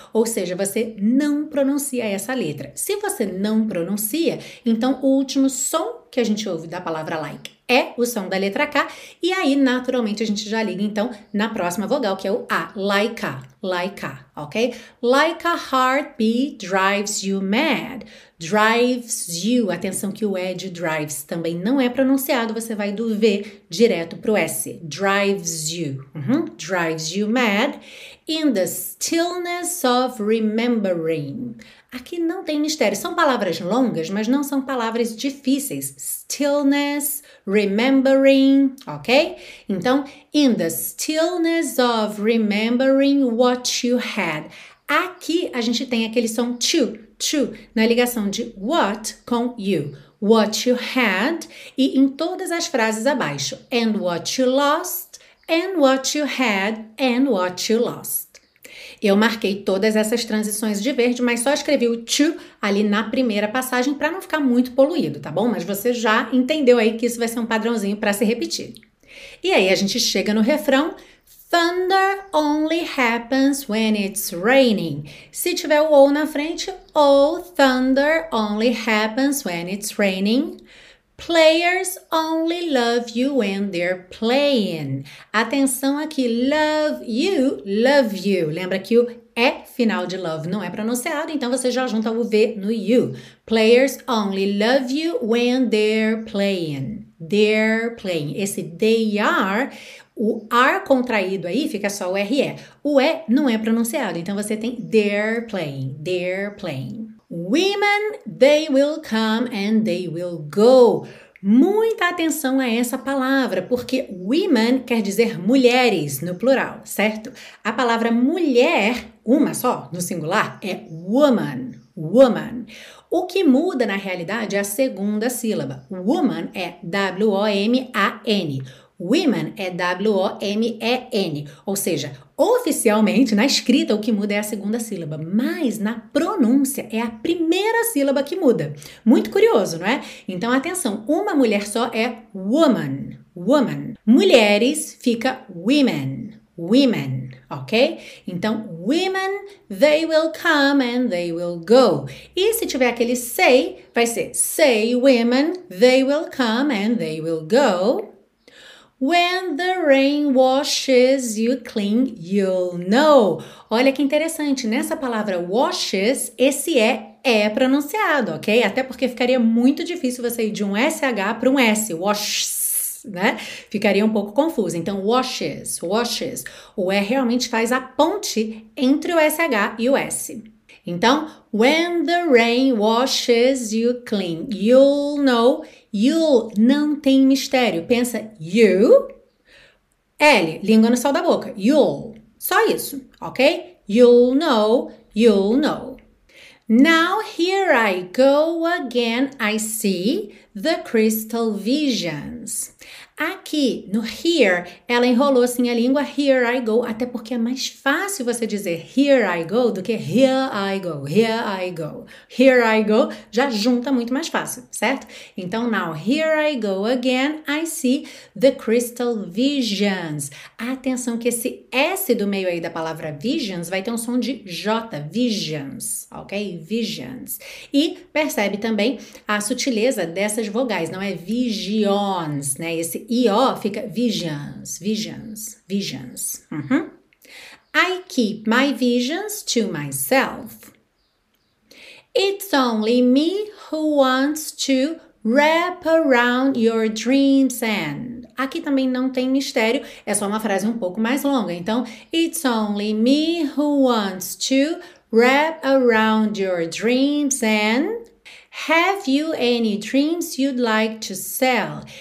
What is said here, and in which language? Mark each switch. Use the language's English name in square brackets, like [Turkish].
[Portuguese] Ou seja, você não pronuncia essa letra. Se você não pronuncia, então o último som que a gente ouve da palavra like é o som da letra K, e aí, naturalmente, a gente já liga, então, na próxima vogal, que é o A, like A, like A, ok? [English] Like a heartbeat drives you mad, [Portuguese] drives you, atenção que o E de drives também não é pronunciado, você vai do V direto pro S, drives you, uhum. [English] Drives you mad, in the stillness of remembering. [Portuguese] Aqui não tem mistério, são palavras longas, mas não são palavras difíceis. [English] Stillness, remembering, ok? Então, in the stillness of remembering what you had. [Portuguese] Aqui a gente tem aquele som to, to, na ligação de what com you. What you had e em todas as frases abaixo. [English] And what you lost, and what you had, and what you lost. [Portuguese] Eu marquei todas essas transições de verde, mas só escrevi o to ali na primeira passagem para não ficar muito poluído, tá bom? Mas você já entendeu aí que isso vai ser um padrãozinho para se repetir. E aí a gente chega no refrão: [English] Thunder only happens when it's raining. [Portuguese] Se tiver o ou na frente, oh, [English] thunder only happens when it's raining. Players only love you when they're playing. [Portuguese] Atenção aqui, love you. Lembra que o é final de love não é pronunciado, então você já junta o V no you. [English] Players only love you when they're playing. They're playing. [Portuguese] Esse they are, o ar contraído aí fica só o RE. O E não é pronunciado, então você tem they're playing. [English] They're playing. Women, they will come and they will go. [Portuguese] Muita atenção a essa palavra, porque women quer dizer mulheres no plural, certo? A palavra mulher, uma só, no singular, é woman. Woman. O que muda na realidade é a segunda sílaba. Woman é W-O-M-A-N. Women é W-O-M-E-N. Ou seja, oficialmente, na escrita, o que muda é a segunda sílaba, mas na pronúncia é a primeira sílaba que muda. Muito curioso, não é? Então, atenção, uma mulher só é woman, woman. Mulheres fica women, women, ok? [English] Então, women, they will come and they will go. [Portuguese] E se tiver aquele say, vai ser [English] say women, they will come and they will go. When the rain washes you clean, you'll know. [Portuguese] Olha que interessante, nessa palavra washes, esse é pronunciado, ok? Até porque ficaria muito difícil você ir de um SH para um S, washes, né? Ficaria um pouco confuso. Então, washes, washes. O E realmente faz a ponte entre o SH e o S. [English] Então, when the rain washes you clean, you'll know. [Portuguese] You não tem mistério. Pensa you, L, língua no céu da boca. [English] You'll, só isso, ok? You'll know, you'll know. Now here I go again, I see the crystal visions. [Portuguese] Aqui no here, ela enrolou assim a língua, here I go, até porque é mais fácil você dizer here I go do que here I go, here I go. Here I go já junta muito mais fácil, certo? [English] Então, now here I go again, I see the crystal visions. [Portuguese] Atenção que esse S do meio aí da palavra visions vai ter um som de J, visions, ok? Visions. E percebe também a sutileza dessas vogais, não é visions, né? Esse E, ó, fica visions, visions, visions. [English] I keep my visions to myself. It's only me who wants to wrap around your dreams and. [Portuguese] Aqui também não tem mistério, é só uma frase um pouco mais longa. [English] Então, it's only me who wants to wrap around your dreams and. Have you any dreams you'd like to sell?